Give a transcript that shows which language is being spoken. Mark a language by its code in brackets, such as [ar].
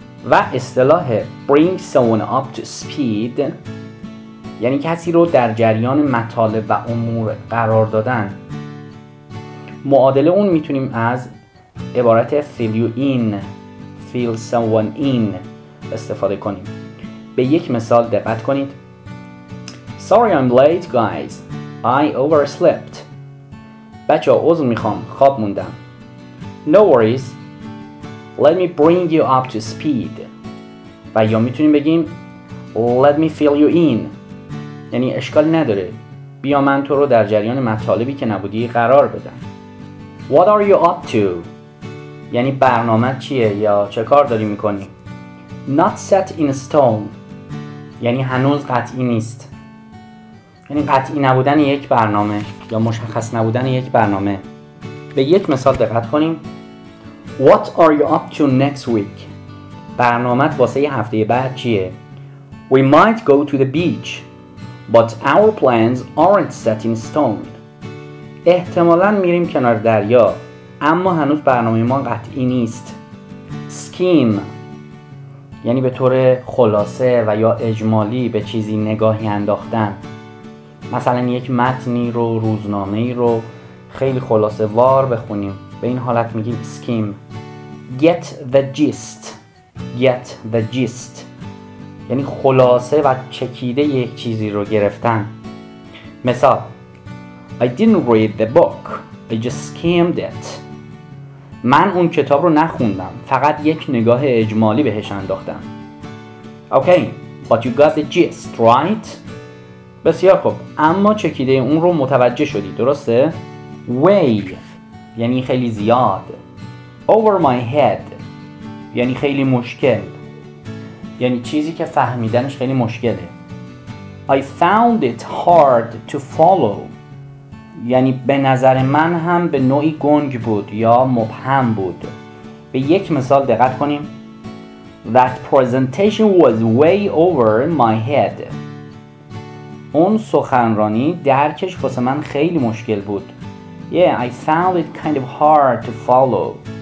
[fa] و اصطلاح [en] Bring someone up to speed [fa] یعنی کسی رو در جریان مطالب و امور قرار دادن. معادل اون میتونیم از عبارت [en] Fill you in، Fill someone in [fa] استفاده کنیم. به یک مثال دقت کنید. [en] Sorry I'm late guys، I overslept. [fa] بچه ها عذر میخوام، خواب موندم. [en] No worries، Let me bring you up to speed. [fa] و یا میتونیم بگیم [en] Let me fill you in، [fa] یعنی اشکال نداره، بیا من تو رو در جریان مطالبی که نبودی قرار بدم. [en] What are you up to، [fa] یعنی برنامه چیه یا چه کار داری میکنی. [en] Not set in stone، [fa] یعنی هنوز قطعی نیست، یعنی قطعی نبودن یک برنامه یا مشخص نبودن یک برنامه. به یک مثال دقت کنیم. [en] What are you up to next week؟ [fa] برنامه واسه هفته بعد چیه؟ [en] We might go to the beach but our plans aren't set in stone. [fa] احتمالاً میریم کنار دریا اما هنوز برنامه ما قطعی نیست. Skim یعنی به طور خلاصه و یا اجمالی به چیزی نگاهی انداختن. مثلا یک متنی رو، روزنامه‌ای رو خیلی خلاصه وار بخونیم، به این حالت میگیم skim. [en] Get the gist، get the gist [fa] یعنی خلاصه و چکیده یک چیزی رو گرفتن. [en] مثال I didn't read the book، I just skimmed it. [fa] من اون کتاب رو نخوندم، فقط یک نگاه اجمالی بهش انداختم. [en] Okay but you got the gist right؟ [fa] بسیار خوب، اما چکیده اون رو متوجه شدی درسته؟ way یعنی خیلی زیاد. [en] over my head [fa] یعنی خیلی مشکل، یعنی چیزی که فهمیدنش خیلی مشکله. [en] I found it hard to follow [fa] یعنی به نظر من هم به نوعی گنگ بود یا مبهم بود. به یک مثال دقت کنیم. [en] That presentation was way over my head، [fa] اون سخنرانی درکش واسه من خیلی مشکل بود. [en] Yeah, I found it kind of hard to follow.